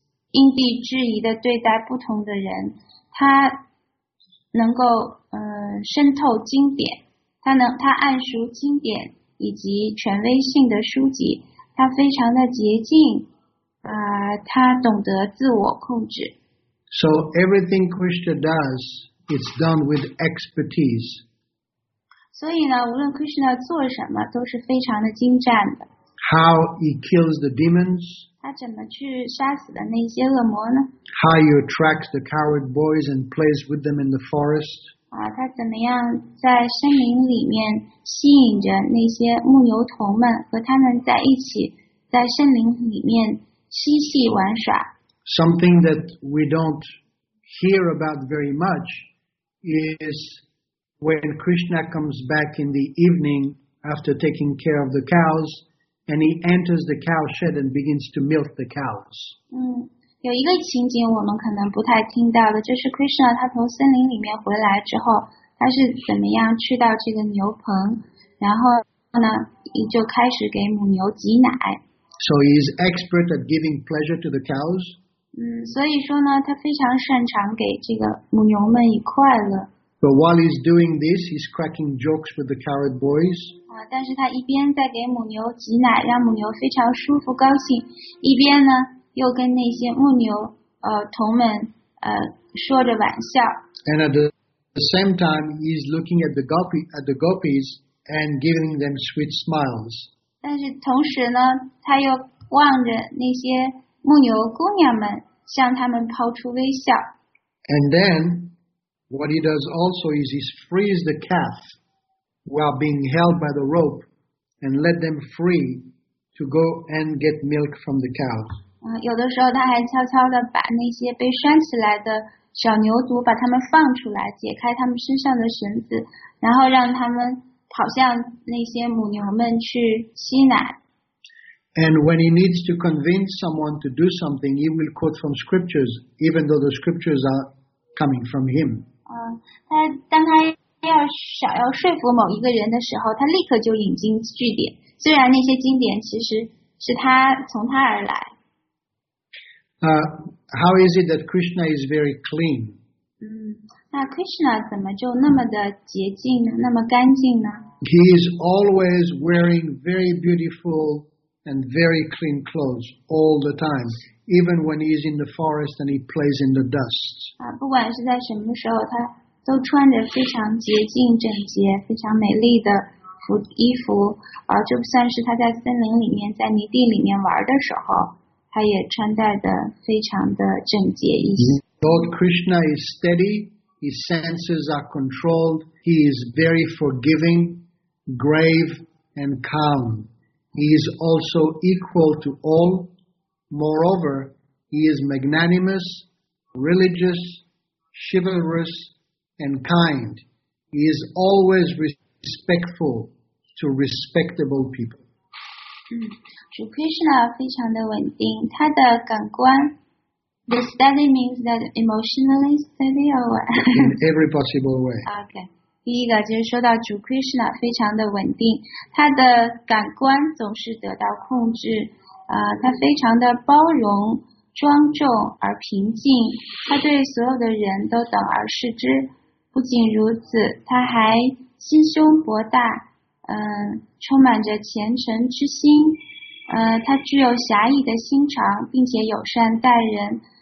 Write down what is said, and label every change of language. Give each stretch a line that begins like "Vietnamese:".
Chinese: 因地制宜的对待不同的人，他能够渗透经典，他谙熟经典以及权威性的书籍，他非常的洁净，他懂得自我控制。
English: So everything Krishna does, it's done with expertise.
Chinese: 所以呢，无论 Krishna 做什么，都是非常的精湛的。
English: How he kills the demons?
Chinese: 他怎么去杀死的那些恶魔呢？
English: How he attracts the coward boys and plays with them in the forest?
Chinese: 啊，他怎么样在森林里面吸引着那些牧牛童们，和他们在一起，在森林里面嬉戏玩耍。
English: Something that we don't hear about very much is when Krishna comes back in the evening after taking care of the cows, and he enters the cow shed and begins to milk the cows.
Chinese: 有一个情景我们可能不太听到的，就是 Krishna 他从森林里面回来之后，他是怎么样去到这个牛棚，然后呢，就开始给母牛挤奶。
English: So he is expert at giving pleasure to the cows.
Chinese: 所以说呢，他非常擅长给这个母牛们以快乐。
English: But while he's doing this, he's cracking jokes with the coward boys.
Chinese: 但是他一边在给母牛挤奶，让母牛非常舒服高兴，一边呢又跟那些牧牛童们说着玩笑。
English: And at the same time, he's looking at the gopis and giving them sweet smiles.
Chinese: 但是同时呢，他又望着那些牧牛姑娘们，向他们抛出微笑。
English: And then, what he does also is he frees the calf while being held by the rope and let them free to go and get milk from the cows.
Chinese: 有的时候他还悄悄地把那些被拴起来的小牛犊把他们放出来，解开他们身上的绳子，然后让他们好像那些母牛们去吸奶。
English: And when he needs to convince someone to do something, he will quote from scriptures, even though the scriptures are coming from him.
Chinese: 当他想要说服某一个人的时候，他立刻就引经据典，虽然那些经典其实是他从他而来。
English: How is it that Krishna is very clean?
Chinese: 那 Krishna 怎么就那么的洁净呢？那么干净呢？
English: He is always wearing very beautiful and very clean clothes all the time, even when he is in the forest and he plays in the dust.
Chinese: 不管是在什么时候，他都穿着非常洁净、整洁、非常美丽的衣服。就算是他在森林里面、在泥地里面玩的时候，他也穿戴的非常的整洁一些。
English: Lord Krishna is steady, his senses are controlled, he is very forgiving, grave, and calm. He is also equal to all. Moreover, he is magnanimous, religious, chivalrous, and kind. He is always respectful to respectable people. Lord Krishna is very stable. His 感官The steady means that emotionally steady or what? In every possible way. Okay.
Chinese: 第一个就是说到主 Krishna 非常的稳定，他的感官总是得到控制，他非常的包容、庄重而平静，他对所有的人都等而视之。不仅如此，他还心胸博大，充满着虔诚之心，他具有侠义的心肠，并且友善待人。